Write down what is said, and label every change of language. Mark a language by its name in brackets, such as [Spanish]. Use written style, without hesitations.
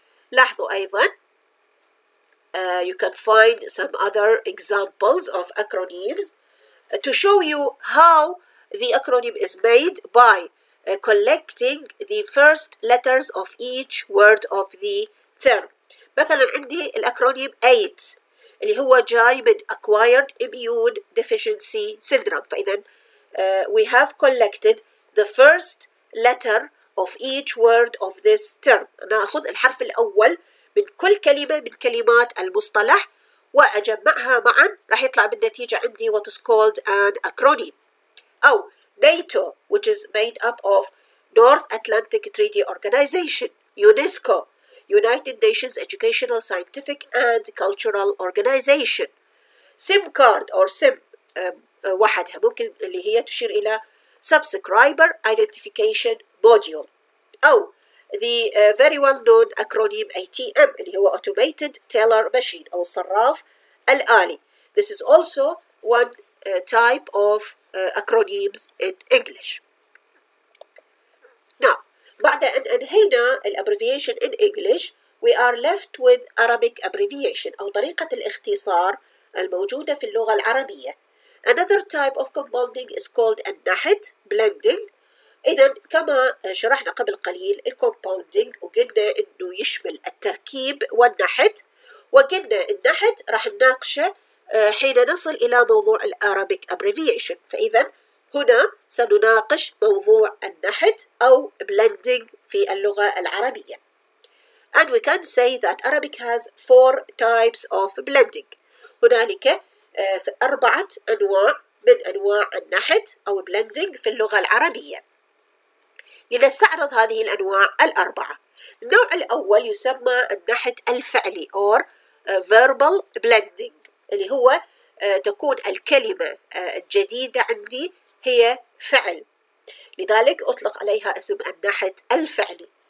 [Arabic] لاحظوا أيضا [English] you can find some other examples of acronyms to show you how the acronym is made by collecting the first letters of each word of the term. [Arabic] مثلا عندي الأكرونيم AIDS اللي هو جاي من Acquired Immune Deficiency Syndrome. فإذا [English] we have collected the first letter of each word of this term. [Arabic] نأخذ الحرف الأول من كل كلمة من كلمات المصطلح وأجمعها معا، راح يطلع بالنتيجة عندي [English] what is called an acronym. أو NATO, which is made up of North Atlantic Treaty Organization, UNESCO, United Nations Educational, Scientific and Cultural Organization. SIM card or SIM [Arabic] وحدها ممكن اللي هي تشير إلى [English] Subscriber Identification Module. أو the very well-known acronym ATM [Arabic] اللي هو [English] Automated Teller Machine [Arabic] أو الصراف الآلي. [English] This is also one type of acronyms in English. Now, [Arabic] بعد أن أنهينا الابريفيشن [English] in English, we are left with Arabic abbreviation [Arabic] أو طريقة الاختصار الموجودة في اللغة العربية. [English] Another type of compounding is called النحت, blending. [Arabic] إذا كما شرحنا قبل قليل الكومباوندينج وقلنا إنه يشمل التركيب والنحت، وقلنا النحت راح نناقشه حين نصل إلى موضوع الأرابيك أبريفيشن. فإذا هنا سنناقش موضوع النحت أو blending في اللغة العربية. [English] And we can say that Arabic has four types of blending. [Arabic] هنالك أربعة أنواع من أنواع النحت أو blending في اللغة العربية. لنستعرض هذه الأنواع الأربعة. النوع الأول يسمى النحت الفعلي or verbal blending اللي هو تكون الكلمة الجديدة عندي هي فعل، لذلك أطلق عليها اسم النحت الفعلي.